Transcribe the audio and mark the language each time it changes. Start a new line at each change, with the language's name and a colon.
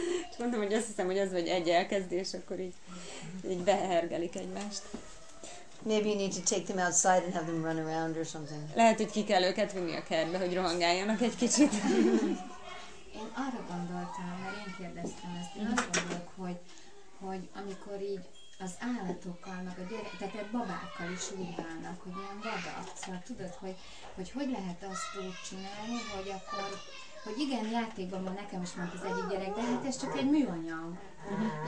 Hungarian: És mondtam, hogy azt hiszem, hogy az vagy egy elkezdés, akkor így behergelik egymást.
English: Maybe you need to take them outside and have them run around or something.
Hungarian: Lehet, hogy ki kell őket vinni a kertbe, hogy rohangáljanak egy kicsit. Én arra gondoltam, mert én kérdeztem ezt, én azt gondolok, hogy amikor így az állatokkal, meg a gyerek, tehát a babákkal is úgy válnak, hogy ilyen vadak. Szóval tudod, hogy lehet azt úgy csinálni, hogy akkor, hogy igen, játékban van, nekem is mondta az egyik gyerek, de hát ez csak egy műanyag. Uh-huh.